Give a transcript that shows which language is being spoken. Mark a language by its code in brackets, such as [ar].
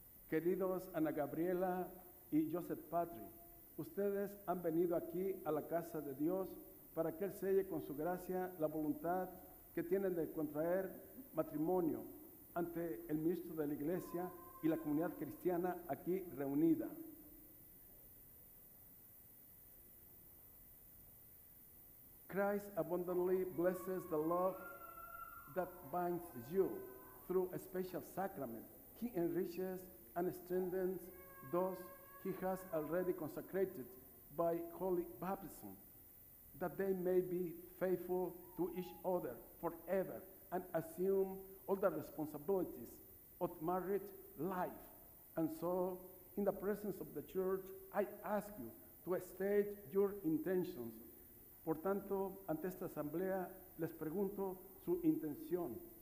[es] Queridos Ana Gabriela y Joseph Patrick, ustedes han venido aquí a la casa de Dios para que Él selle con su gracia la voluntad que tienen de contraer matrimonio ante el ministro de la iglesia y la comunidad cristiana aquí reunida. [en] Christ abundantly blesses the love that binds you through a special sacrament. He enriches and strengthens those he has already consecrated by holy baptism, that they may be faithful to each other forever and assume all the responsibilities of married life. And so, in the presence of the church, I ask you to state your intentions. [es] Por tanto, ante esta asamblea, les pregunto su intención.